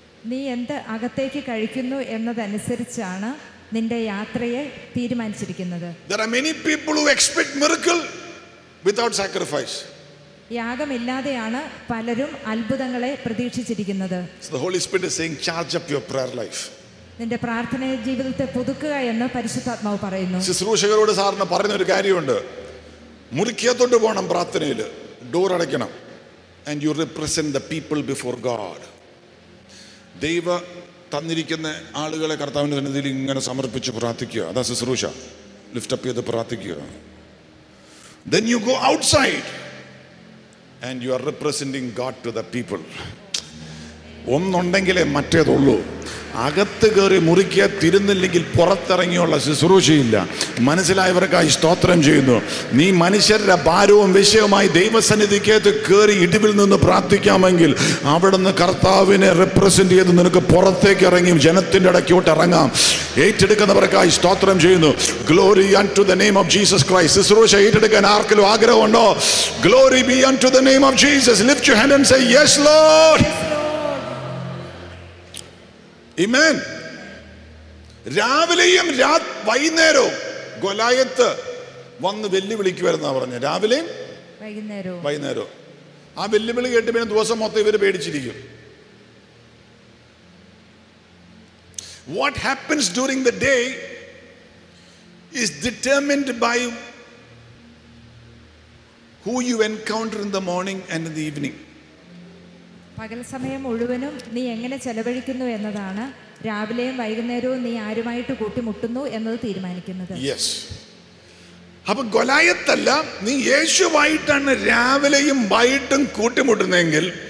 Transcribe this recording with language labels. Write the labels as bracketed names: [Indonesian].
[Malayalam] നീ എന്ത് അകത്തേക്ക് കഴിക്കുന്നു എന്നതനുസരിച്ചാണ് നിന്റെ യാത്രയെ തീരുമാനിച്ചിരിക്കുന്നത്. [English] There are many people who expect miracle without sacrifice. [Malayalam] യാഗമില്ലാതെയാണ് പലരും അത്ഭുതങ്ങളെ പ്രതീക്ഷിച്ചിരിക്കുന്നത്. [English] So the Holy Spirit is saying, charge up your prayer life. [Malayalam] നിന്റെ പ്രാർത്ഥന ജീവിതത്തെ പുതുക്കുക എന്ന് പരിശുദ്ധാത്മാവ് പറയുന്നു. ശുശ്രൂഷകരോട് സാറിന് പറഞ്ഞ ഒരു കാര്യമുണ്ട്, മുറിക്കത്തോണ്ട് പോകണം പ്രാർത്ഥനയിൽ, ഡോർ അടയ്ക്കണം. [English] And you represent the people before God. [Malayalam] ദൈവ തന്നിരിക്കുന്ന ആളുകളെ കർത്താവിന്റെ സന്നിധിയിൽ ഇങ്ങനെ സമർപ്പിച്ച് പ്രാർത്ഥിക്കുക. അതാ ശുശ്രൂഷ, [English] lift up [Malayalam] ചെയ്ത് പ്രാർത്ഥിക്കുക. [English] Then you go outside and you are representing God to the people. [Malayalam] ഒന്നുണ്ടെങ്കിലേ മറ്റേതുള്ളൂ. അകത്ത് കയറി മുറിക്കുക തിരുന്നില്ലെങ്കിൽ പുറത്തിറങ്ങിയുള്ള ശുശ്രൂഷയില്ല. മനസ്സിലായവർക്കായി സ്തോത്രം ചെയ്യുന്നു. നീ മനുഷ്യരുടെ ഭാരവും വിഷയവുമായി ദൈവസന്നിധിക്കകത്ത് കയറി ഇടിവിൽ നിന്ന് പ്രാർത്ഥിക്കാമെങ്കിൽ അവിടെ നിന്ന് കർത്താവിനെ റിപ്രസെന്റ് ചെയ്ത് നിനക്ക് പുറത്തേക്ക് ഇറങ്ങി ജനത്തിന്റെ ഇടയ്ക്കോട്ട് ഇറങ്ങാം. ഏറ്റെടുക്കുന്നവർക്കായി സ്തോത്രം ചെയ്യുന്നു. [English] Glory unto the name of Jesus Christ. [Malayalam] ശുശ്രൂഷ ഏറ്റെടുക്കാൻ ആർക്കും ആഗ്രഹമുണ്ടോ? [English] Glory be unto the name of Jesus. Lift your hand and say yes Lord. [Malayalam] Amen. രാവിലെയും വൈകുന്നേരവും ഗൊലായത്ത് വന്ന് വെല്ലുവിളിക്കുവായിരുന്നാ പറഞ്ഞു. രാവിലെയും വൈകുന്നേരവും ആ വെല്ലുവിളി കേട്ട് പിന്നെ ദിവസം മൊത്തം ഇവര് പേടിച്ചിരിക്കും. [English] What happens during the day is determined by who you encounter in the morning and in the evening. [Malayalam] പകൽ സമയം മുഴുവനും നീ എങ്ങനെ ചെലവഴിക്കുന്നു എന്നതാണ് രാവിലെയും വൈകുന്നേരവും നീ ആരുമായിട്ട് കൂട്ടിമുട്ടുന്നു എന്നത് തീരുമാനിക്കുന്നത്. [English] Yes. [Malayalam] അപ്പൊ ഗൊലായത്തല്ല, നീ യേശുവായിട്ടാണ് രാവിലെയും വൈകിട്ടും കൂട്ടിമുട്ടുന്നതെങ്കിൽ